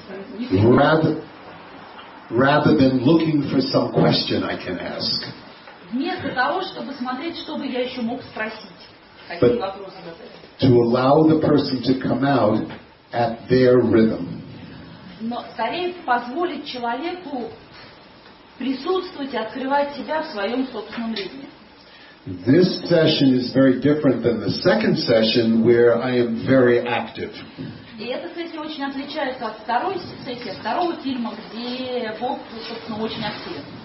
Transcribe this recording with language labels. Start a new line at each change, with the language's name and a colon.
English: Rather than looking for some question I can ask.
Russian: Вместо того, чтобы смотреть, что бы я еще мог спросить. Какие вопросы?
English: To allow the person to come out at their rhythm.
Russian: Но скорее позволить человеку присутствовать и открывать себя в своем собственном ритме.
English: This session is very different than the second session where I am very active.
Russian: И эта сессия очень отличается от второй сессии, второго фильма, где Бог, собственно, очень активен.